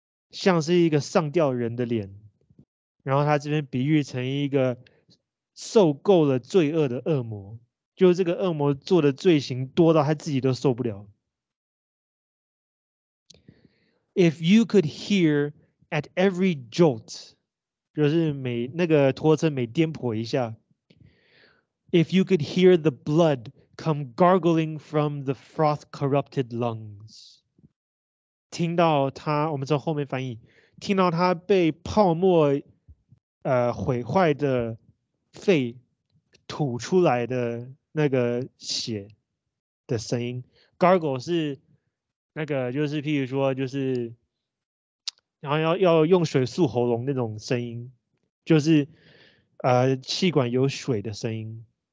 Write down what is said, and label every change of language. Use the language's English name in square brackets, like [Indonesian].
[Chinese] 像是一个上吊人的脸，然后他这边比喻成一个受够了罪恶的恶魔，就是这个恶魔做的罪行多到他自己都受不了。 [English] If you could hear at every jolt, [Chinese] 就是每那个拖车每颠簸一下。 [English] If you could hear the blood come gargling from the froth-corrupted lungs. [Chinese] 听到他，我们从后面翻译，听到他被泡沫，毁坏的肺吐出来的那个血的声音。 Gargle 是那个，就是譬如说，就是然后要用水漱喉咙那种声音，就是气管有水的声音。